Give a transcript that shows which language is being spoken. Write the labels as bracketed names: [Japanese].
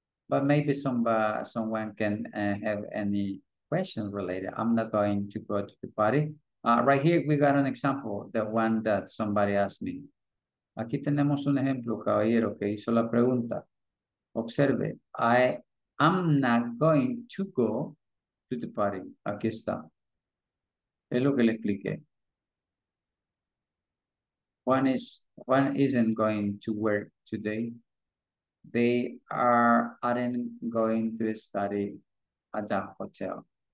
[English] But maybe someone can have any questions related. I'm not going to go to the party. Right here, we got an example, the one that somebody asked me. [Spanish] Aquí tenemos un ejemplo, caballero, que hizo la pregunta. [English] Observe, I'm not going to go to the party. [Spanish] Aquí está. Es lo que le expliqué. [English] One isn't going to work today. They aren't going to study at the hotel.